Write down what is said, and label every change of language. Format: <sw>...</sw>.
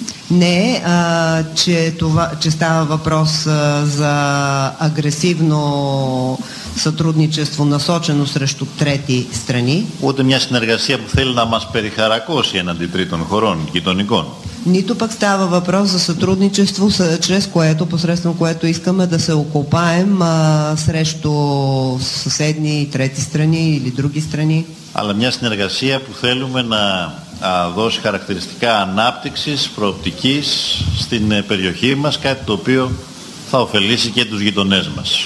<bg>Не, че, това, че става въпрос за агресивно сътрудничество, насочено срещу трети страни.</bg> <el>Ούτε мια συνεργασία που θέλει να μας περιχαρακώσει έναντι τρίτων χωρών, γειτονικών.</el> <bg>Нито пък става въпрос за сътрудничество, чрез което, посредством което искаме да се окопаем срещу съседни трети страни или други страни.</bg> <el>Αλλά мια συνεργασία που θέλουμε να δώσει χαρακτηριστικά ανάπτυξης, προοπτικής στην περιοχή μας, κάτι το οποίο θα ωφελήσει και τους γειτονές μας.</el>